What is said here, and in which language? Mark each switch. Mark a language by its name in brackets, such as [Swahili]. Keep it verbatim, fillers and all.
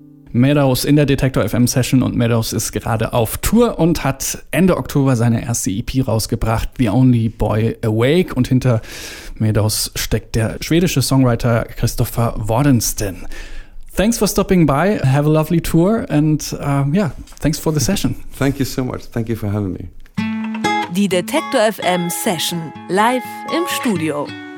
[German] Meadows in der Detektor F M Session, und Meadows ist gerade auf Tour und hat Ende Oktober seine erste E P rausgebracht, The Only Boy Awake, und hinter Meadows steckt der schwedische Songwriter Christopher Wardensteen. [English] Thanks for stopping by, have a lovely tour and um, yeah, thanks for the session. Thank you so much, thank you for having me. [German] Die Detektor F M Session, live im Studio.